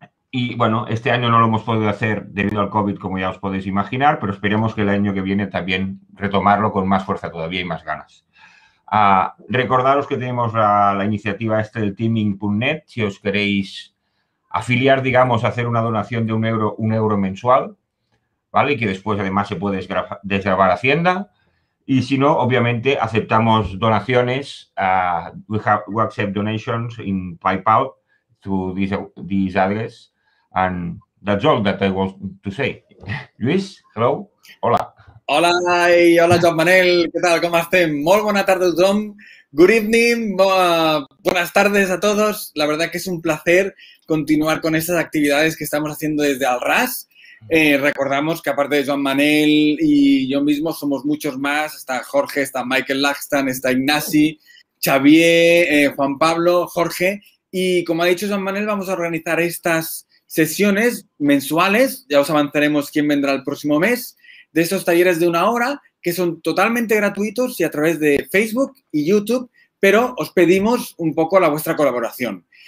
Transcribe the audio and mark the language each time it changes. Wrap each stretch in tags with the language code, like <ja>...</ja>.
<es>Y bueno, este año no lo hemos podido hacer debido al COVID, como ya os podéis imaginar, pero esperemos que el año que viene también retomarlo con más fuerza todavía y más ganas. Recordaros que tenemos la iniciativa esta del teaming.net, si os queréis afiliar, digamos, hacer una donación de un euro mensual, ¿vale? Y que después además se puede desgravar Hacienda. Y si no, obviamente, aceptamos donaciones,</es> <en>we accept donations in PayPal through this address, and that's all that I want to say. Luis, hello, hola.</en> <es>Hola, y hola, Joan Manel, ¿qué tal, cómo estem?</es> <ca>Molt bona tarda a tothom,</ca> <en>good evening,</en> <es>buenas tardes a todos. La verdad que es un placer continuar con estas actividades que estamos haciendo desde el RAS. Recordamos que aparte de Joan Manel y yo mismo somos muchos más, está Jorge, está Michael Lachstan, está Ignasi, Xavier, Juan Pablo, Jorge, y como ha dicho Joan Manel, vamos a organizar estas sesiones mensuales, ya os avanzaremos quién vendrá el próximo mes, de estos talleres de una hora que son totalmente gratuitos y a través de Facebook y YouTube, pero os pedimos un poco la vuestra colaboración.</es>